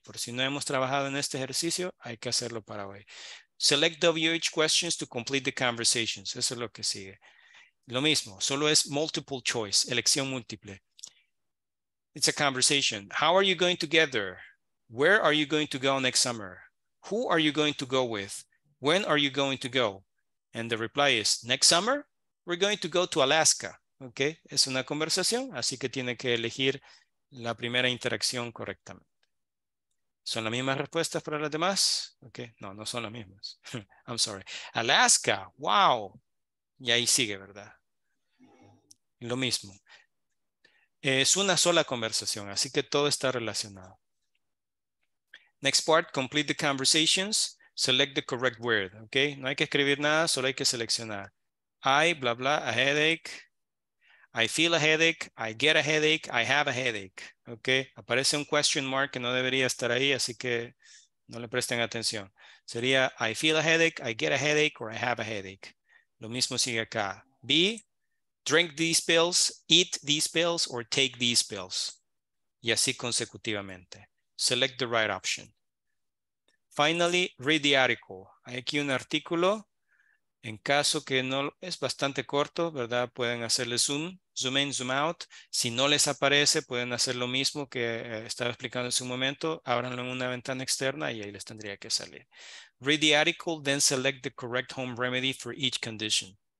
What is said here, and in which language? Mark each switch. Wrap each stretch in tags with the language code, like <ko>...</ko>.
<es>Por si no hemos trabajado en este ejercicio, hay que hacerlo para hoy.</es> <en>Select WH questions to complete the conversations. Eso es lo que sigue.</en> <es>Lo mismo, solo es multiple choice, elección múltiple.</es> <en>It's a conversation. How are you going together? Where are you going to go next summer? Who are you going to go with? When are you going to go? And the reply is, next summer, we're going to go to Alaska.</en> <es>Okay, es una conversación, así que tiene que elegir la primera interacción correctamente. ¿Son las mismas respuestas para las demás? Okay. No, no son las mismas. I'm sorry. Alaska. Wow. Y ahí sigue, ¿verdad? Lo mismo. Es una sola conversación, así que todo está relacionado. Next part, complete the conversations. Select the correct word. Okay. No hay que escribir nada, solo hay que seleccionar.</es> <en>I, blah, blah, a headache. I feel a headache, I get a headache, I have a headache.</en> <es>Okay, aparece un question mark que no debería estar ahí, así que no le presten atención.</es> <en>Sería, I feel a headache, I get a headache, or I have a headache.</en> <es>Lo mismo sigue acá.</es> <en>B, drink these pills, eat these pills, or take these pills. Y así consecutivamente. Select the right option. Finally, read the article.</en> <es>Hay aquí un artículo. En caso que no, es bastante corto, ¿verdad? Pueden hacerle zoom, zoom in, zoom out. Si no les aparece, pueden hacer lo mismo que estaba explicando hace un momento. Ábranlo en una ventana externa y ahí les tendría que salir.</es> <en>Read the article, then select the correct home remedy for each condition.</en>